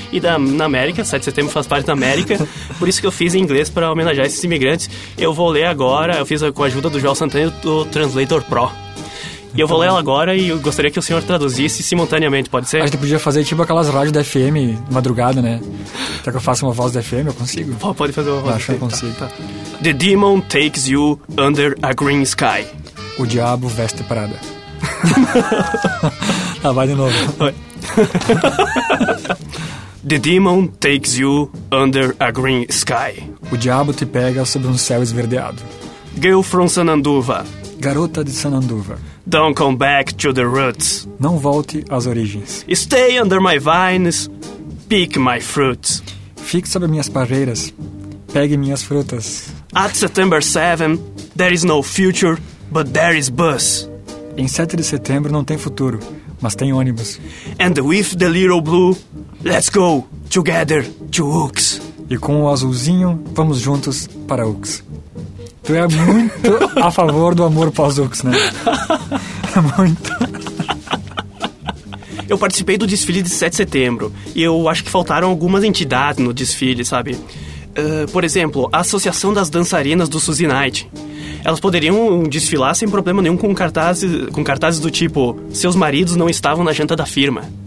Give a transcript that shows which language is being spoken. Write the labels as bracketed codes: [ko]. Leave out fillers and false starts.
[pt] E na América, 7 de setembro faz parte da América. Por isso que eu fiz em inglês pra homenagear esses imigrantes. Eu vou ler agora, eu fiz com a ajuda do João Santana do Translator Pro. E eu vou ler ela agora e eu gostaria que o senhor traduzisse simultaneamente, pode ser? A gente podia fazer tipo aquelas rádios da FM, madrugada, né? Até que eu faça uma voz da FM, eu consigo. Pode fazer uma voz. Acho que eu consigo. Tá. [en] The demon takes you under a green sky. [pt] O diabo veste Prada. Ah, vai de novo. [en] The demon takes you under a green sky. [pt] O diabo te pega sob um céu esverdeado. [en] Girl from Sananduva. [pt] Garota de Sananduva. [en] Don't come back to the roots. [pt] Não volte às origens. [en] Stay under my vines, pick my fruits. [pt] Fique sob minhas parreiras, pegue minhas frutas. [en] At September 7, there is no future, but there is bus. [pt] Em 7 de setembro não tem futuro, mas tem ônibus. [en] And with the little blue, let's go together to Ux. [pt] E com o azulzinho, vamos juntos para Ux. Tu é muito a favor do amor pós-Ux, né? Muito. Eu participei do desfile de 7 de setembro e eu acho que faltaram algumas entidades no desfile, sabe? Por exemplo, a Associação das Dançarinas do Suzy Knight. Elas poderiam desfilar sem problema nenhum com cartazes do tipo "Seus maridos não estavam na janta da firma".